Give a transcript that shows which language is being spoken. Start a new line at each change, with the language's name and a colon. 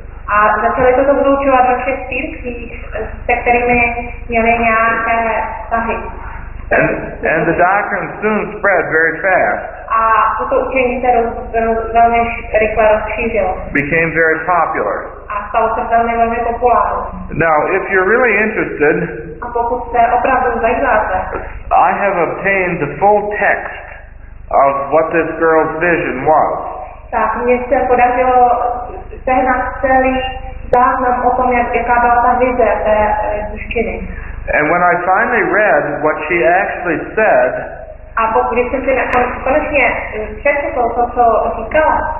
Czech: A začali toto vyučovat ve všech církvích, se kterými měli nějaké vztahy.
English: And the doctrine soon spread very fast.
Czech: A toto učení se velmi rychle rozšířilo.
English: Became very popular.
Czech: A stalo se velmi populární.
English: Now, if you're really interested,
Czech: a pokud se opravdu zajímáte,
English: I have obtained the full text of what this girl's vision was.
Czech: Tak mně se podařilo sehnat celý záznam o tom, jaká byla ta vize té duštiny.
English: And when I finally read what she actually said,
Czech: a pokud jsem si konečně přečetl to, co říkala,